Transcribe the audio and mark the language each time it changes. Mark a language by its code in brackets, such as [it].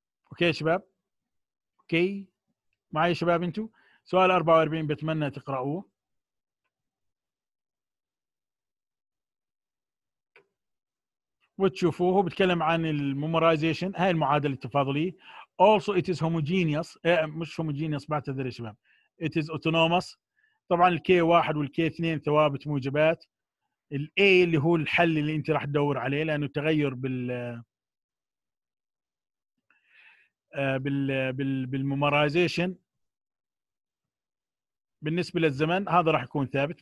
[ar] اوكي شباب، اوكي معي شباب، انتو سؤال 44 بتمنى تقرأوه. وتشوفوه بتكلم عن الميمورايزيشن، هاي المعادلة التفاضلية. [en] also it is homogeneous، [ar] مش [en] homogeneous [ar] بعتذر يا شباب، [en] it is autonomous. [ar] طبعا ال K1 وال K2 ثوابت موجبات. ال A اللي هو الحل اللي انت راح تدور عليه، لانه التغير بال بال بال بالميمورايزيشن بالنسبه للزمن هذا راح يكون ثابت.